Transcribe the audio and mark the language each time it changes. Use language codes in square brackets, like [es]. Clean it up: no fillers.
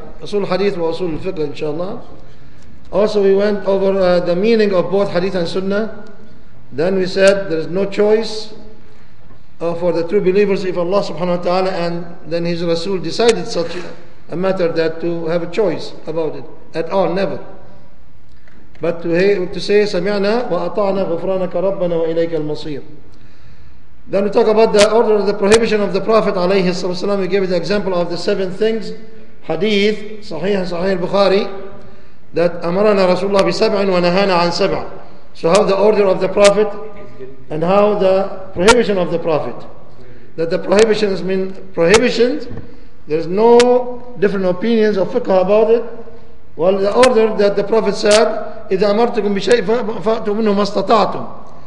[ar] Usul hadith wa usul fiqh, [en] inshallah. Also, we went over the meaning of both hadith and sunnah. Then we said there is no choice for the true believers if Allah subhanahu wa ta'ala and then His Rasul decided such a matter, that to have a choice about it. At all, never. But to say, [ar] سَمِعْنَا وَأَطَعْنَا غُفْرَانَكَ رَبَّنَا وَإِلَيْكَ الْمَصِيرُ. [en] Then we talk about the order of the prohibition of the Prophet [ar] عليه الصلاة والسلام. [en] We gave the example of the 7 things. [ar] Hadith, صحيح صحيح البخاري, that أمرنا رسول الله بسبع ونهانا عن سبع. [en] So how the order of the Prophet and how the prohibition of the Prophet. That the prohibitions mean prohibitions. There's no different opinions of fiqh about it. Well, the order that the Prophet said, [ar] إِذَا أَمَرْتُكُمْ بِشَيْءٍ فَأْتُوا مِنْهُ مَا اسْتَطَعْتُمْ.